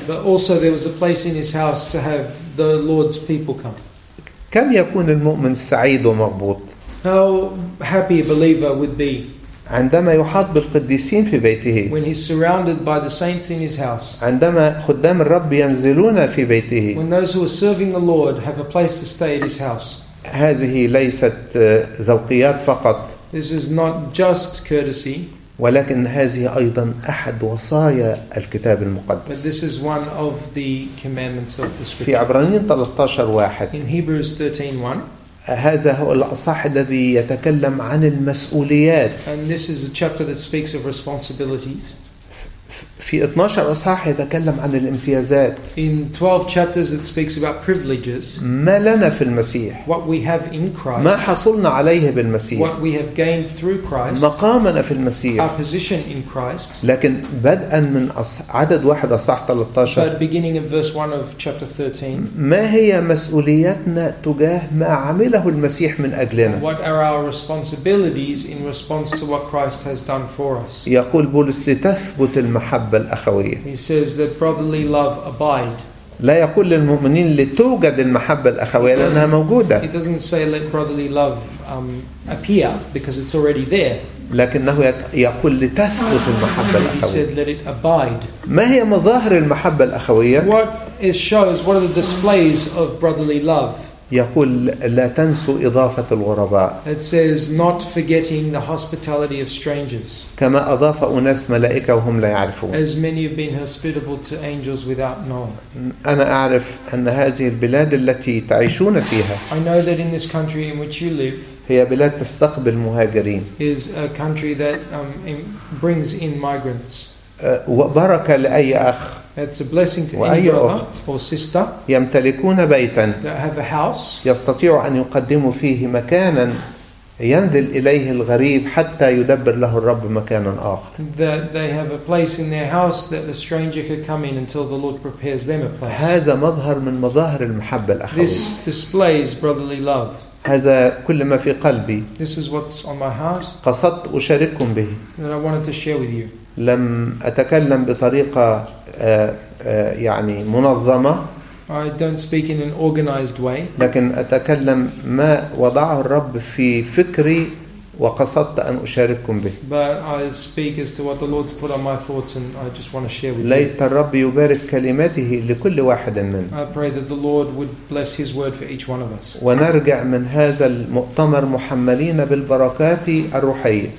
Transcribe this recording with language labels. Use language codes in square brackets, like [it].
[en] But also there was a place in his house to have the Lord's people come. [ar] كم يكون المؤمن سعيد ومغبوط؟ [en] How happy a believer would be [ar] عندما يحاط بالقديسين في بيته. [en] When he's surrounded by the saints in his house. [ar] عندما خدام الرب ينزلون في بيته. [en] When those who are serving the Lord have a place to stay at his house. [ar] هذه ليست ذوقيات فقط. [en] This is not just courtesy. [ar] ولكن هذه أيضا أحد وصايا الكتاب المقدس. [en] But this is one of the commandments of the scripture. [ar] في عبرانيين 13:1. [en] In Hebrews 13:1. [ar] هذا هو الأصح الذي يتكلم عن المسؤوليات. [en] And this is a chapter that speaks of responsibilities. [ar] في 12 أصحاح يتكلم عن الامتيازات. [en] In 12 chapters it speaks about privileges. [ar] ما لنا في المسيح. [en] What we have in Christ. [ar] ما حصلنا عليه بالمسيح. [en] What we have gained through Christ. [ar] مقامنا في المسيح. [en] Our position in Christ. [ar] لكن بدءا من عدد 1 أصحاح 13. [en] But beginning in verse 1 of chapter 13. [ar] ما هي مسؤوليتنا تجاه ما عمله المسيح من أجلنا؟ [en] What are our responsibilities in response to what Christ has done for us? [ar] يقول بولس لتثبت المحبة. [en] He says that brotherly love abide. [ar] لا يقول للمؤمنين لتوجد المحبة الأخوية لأنها موجودة. [en] He doesn't say let brotherly love appear because it's already there. [ar] لكنه يقول لتثبت المحبة الأخوية. [en] He said let it abide. [ar] ما هي مظاهر المحبة الأخوية؟ [en] What it shows, what are the displays of brotherly love? [ar] يقول لا تنسوا إضافة الغرباء. [en] It says not forgetting the hospitality of strangers. [ar] كما أضاف أناس ملائكة وهم لا يعرفون. [en] As many have been hospitable to angels without knowing. [ar] أنا أعرف أن هذه البلاد التي تعيشون فيها. [en] I know that in this country in which you live. [ar] هي بلاد تستقبل مهاجرين. [en] Is a country that brings in migrants. [ar] وبركة لأي أخ. [en] It's a blessing to any brother or sister. [ar] يمتلكون بيتا. [en] That have a house. [ar] يستطيع أن يقدموا فيه مكانا ينزل إليه الغريب حتى يدبر له الرب مكانا آخر. [en] That they have a place in their house that the stranger could come in until the Lord prepares them a place. [ar] هذا مظهر من مظاهر المحبة الأخوية. [en] This displays brotherly love. [ar] هذا كل ما في قلبي. [en] This is what's on my heart. [ar] قصدت أشارككم به. [en] That I wanted to share with you. [ar] لم أتكلم بطريقة يعني منظمة. [en] I don't speak in an organized way. [ar] لكن أتكلم ما وضعه الرب في فكري وقصدت أن أشارككم به. [en] But I speak as to what the Lord's put on my thoughts, and I just want to share with you. [ar] ليت الرب يبارك كلماته لكل واحد منا. [en] I pray that the Lord would bless His word for each one of us. [ar] ونرجع من هذا المؤتمر محملين بالبركات الروحية.